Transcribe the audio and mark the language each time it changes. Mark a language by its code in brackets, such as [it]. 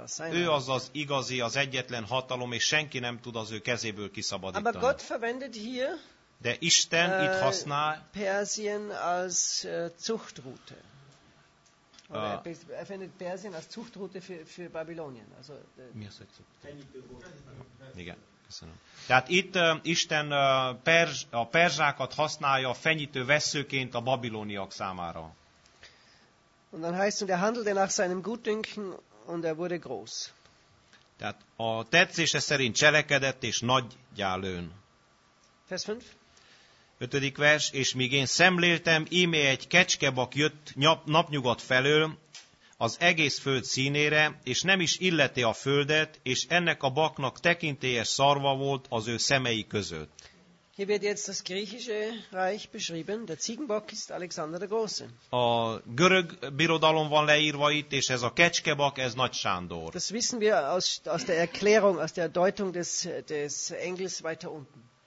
[hu] Ő az az igazi, az egyetlen hatalom, és senki nem tud az ő kezéből kiszabadítani. [de] Aber Gott verwendet hier, [hu] de Isten itt használ [de] Persien als Zuchtrute. Er findet Persien als Zuchtrute für Babylonien. Also, [hu] mi az, hogy Zuchtrute? Igen, köszönöm. Tehát itt Isten a perzsákat használja a fenyítő veszőként a babiloniak számára. [de] Und dann heißt, und er handelte nach seinem Gutdünken, und er wurde groß. [hu] Tehát a tetszése szerint cselekedett, és nagy gyálőn. [de] Vers 5. [hu] 5. vers, és míg én szemléltem, íme egy kecskebak jött napnyugat felől az egész föld színére, és nem is illeti a földet, és ennek a baknak tekintélyes szarva volt az ő szemei között. [de] Hier wird jetzt das griechische Reich beschrieben, der Ziegenbock ist Alexander der Große. [hu] A görög birodalom van leírva itt, és ez a kecskebak, ez Nagy Sándor. [de] Das wissen wir aus der Erklärung, aus der Deutung des Engels weiter unten.